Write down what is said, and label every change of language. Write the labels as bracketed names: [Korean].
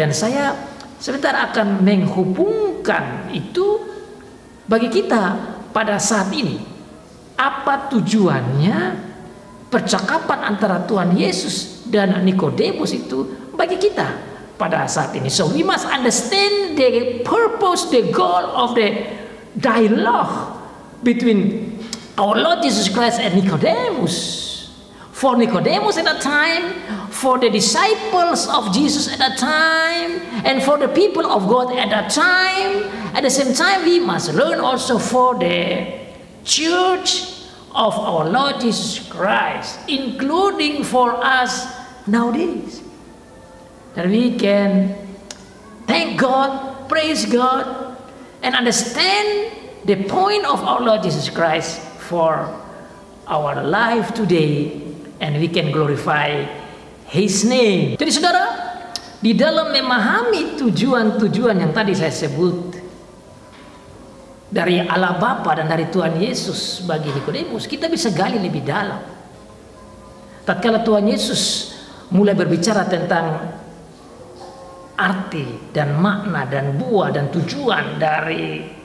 [Indonesian] Dan saya sebentar akan menghubungkan itu bagi kita pada saat ini. Apa tujuannya percakapan antara Tuhan Yesus dan Nikodemus itu bagi kita pada saat ini? [English] So we must understand the purpose, the goal of the dialogue between our Lord Jesus Christ and Nicodemus. For Nicodemus at that time, for the disciples of Jesus at that time, and for the people of God at that time, at the same time we must learn also for the church of our Lord Jesus Christ, including for us nowadays. That we can thank God, praise God, and understand the point of our Lord Jesus Christ for our life today, and we can glorify His name. [Indonesian] Jadi saudara, di dalam memahami tujuan-tujuan yang tadi saya sebut dari Allah Bapa dan dari Tuhan Yesus bagi Nikodemus, kita bisa gali lebih dalam. Tatkala Tuhan Yesus mulai berbicara tentang arti dan makna dan buah dan tujuan dari